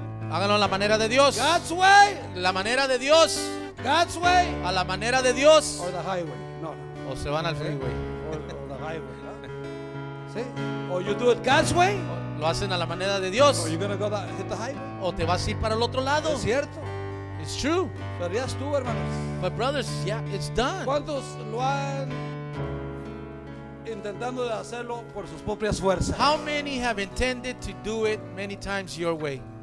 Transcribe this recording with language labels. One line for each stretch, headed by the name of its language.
Spanish: Háganlo a la manera de Dios.
English: God's way.
Spanish: La manera de Dios.
English: God's way.
Spanish: A la manera de Dios.
English: Or the highway. No.
Spanish: O se van al freeway.
English: Or the highway. Sí. Or you do it God's way.
Spanish: Lo hacen a la manera de Dios.
English: Or you gonna go that, hit the highway.
Spanish: O te vas a ir para el otro lado. Es cierto.
English: It's true.
Spanish: Pero ya estuvo, hermanos.
English: But brothers, yeah, it's done.
Spanish: ¿Cuántos lo han intentando de hacerlo por sus propias fuerzas?
English: How many have intended to do it many times your way?